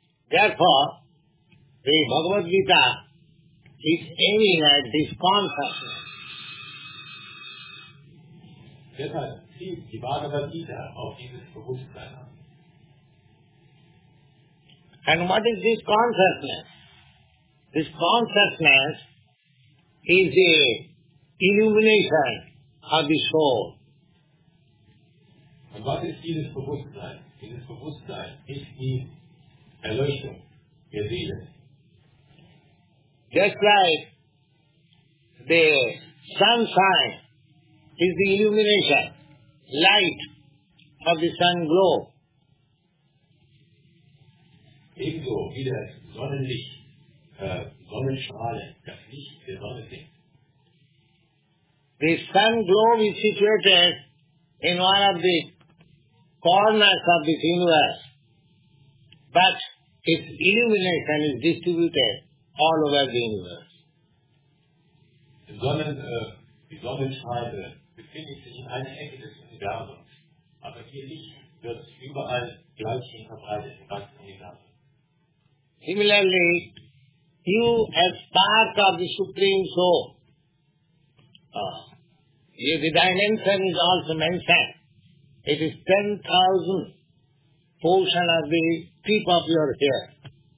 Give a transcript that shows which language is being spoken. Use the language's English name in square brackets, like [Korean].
[English] Therefore, the Bhagavad Gita is aiming at this consciousness. [German] Deshalb zielt die Bhagavad Gita auf dieses Bewusstsein an. [English] And what is this consciousness? This consciousness is the illumination of the soul. And what is [German] dieses Bewusstsein? Dieses Bewusstsein ist die Erleuchtung der Seele. [English] Just like the sunshine is the illumination, light of the sun glow. [German] Ebenso wie das Sonnenlicht, Sonnenstrahle, das Licht der Sonne sind. [English] The sun globe is situated in one of the corners of this universe, but is illuminated and is distributed all over the universe. [German] Die Sonne, die Sonnenscheibe befindet sich in einer Ecke des Universums, aber ihr Licht wird überall gleich hin verbreitet im ganzen Universum. [English] Similarly, you as part of the Supreme Soul, the dimension is also mentioned. It is 10,000 portion of the tip of your hair.